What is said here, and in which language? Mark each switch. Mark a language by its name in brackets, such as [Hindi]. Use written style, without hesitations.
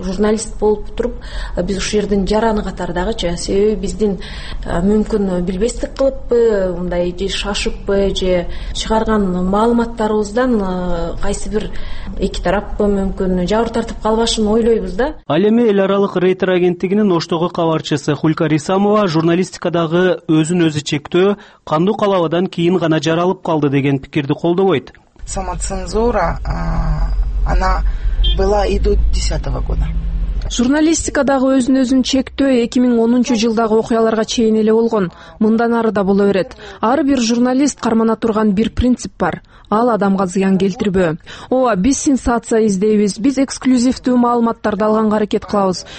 [Kyrgyz] Журналист болуп туруп биз ушул жердин жараны катары дагычы, себеби биздин мүмкүн билбестик кылыппы, мындай же шашыппы, же чыгарган маалыматтарыбыздан кайсы бир эки тараппы мүмкүн жабыр тартып калбашын ойлойбуз да. Ал эми эл аралык рейтер агенттигинин Оштогу кабарчысы Хулька Рисамова журналистикадагы өзүн өзү чектөө кандуу калабадан кийин гана жаралып калды деген пикирди колдобойт. [Russian] Самоцензура она была и до 2010 года. [Kyrgyz] Журналистикадагы өзүн өзүн чектөө 2010 жылдагы окуяларга чейин эле болгон, мындан ары да боло берет. Ар бир журналист кармана турган бир принцип бар. Ал адамга зыян келтирбөө. Ооба, биз сенсация издейбиз, биз эксклюзивдүү маалыматтарды алганга аракет кылабыз.